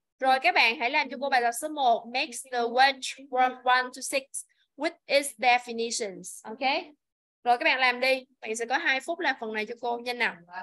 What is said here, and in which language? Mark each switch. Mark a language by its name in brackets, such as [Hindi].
[Vietnamese] Rồi các bạn hãy làm cho cô bài tập số 1. [English] Make the word from 1 to 6 with its definitions. [Vietnamese] Ok? Rồi các bạn làm đi. Bạn sẽ có 2 phút làm phần này cho cô. Nhanh nào.